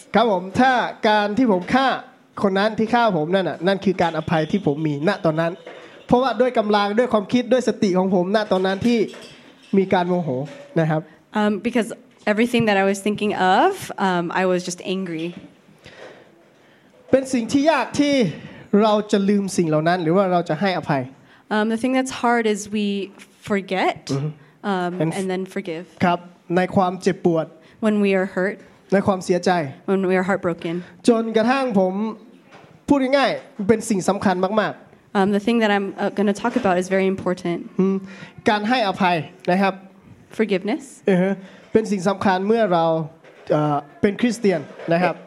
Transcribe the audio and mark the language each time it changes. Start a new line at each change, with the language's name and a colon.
Thai: ครับผมถ้าการที่ผมฆ่าคนนั้นที่ฆ่าผมนั่นคือการอภัยที่ผมมีณตอนนั้นเพราะว่าด้วยกำลังด้วยความคิดด้วยสติของผมณตอนนั้นที่มีการโมโหนะครับ
English: Because everything that I was thinking of, I was just angry.
Thai: เป็นสิ่งที่ยากที่เราจะลืมสิ่งเหล่านั้นหรือว่าเราจะให้อภัย
English: The thing that's hard is we forget and then forgive.
Thai: ครับในความเจ็บปวด
English: When we are hurt.
Thai: ในความเสียใจ
English: When we are heartbroken.
Thai: จนกระทั่งผมพูดง่ายๆเป็นสิ่งสำคัญมาก
English: ๆ The thing that I'm going to talk about is very important.
Thai: การให้อภัยนะครับ
English: Forgiveness.
Thai: เป็นสิ่งสำคัญเมื่อเราเป็นคริสเตียนนะครับ